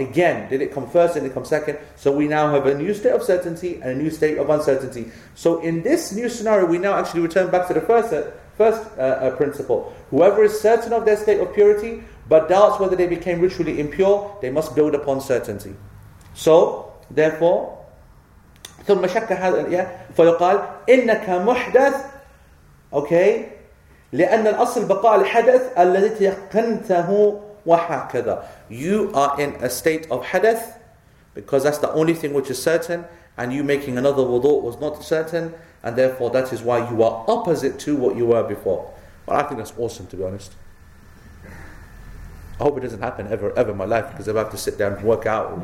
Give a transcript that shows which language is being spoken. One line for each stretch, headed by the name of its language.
English: Again, did it come first, did it come second? So we now have a new state of certainty and a new state of uncertainty. So in this new scenario, we now actually return back to the first principle. Whoever is certain of their state of purity, but doubts whether they became ritually impure, they must build upon certainty. So, therefore,
Arabic: ثم شك هذا فيقال إنك محدث okay لأن الأصل بقاء الحدث الذي تيقنته وهكذا.
English: You are in a state of hadath because that's the only thing which is certain, and you making another wudu was not certain, and therefore that is why you are opposite to what you were before. But I think that's awesome, to be honest. I hope it doesn't happen ever in my life, because I have to sit down and work out.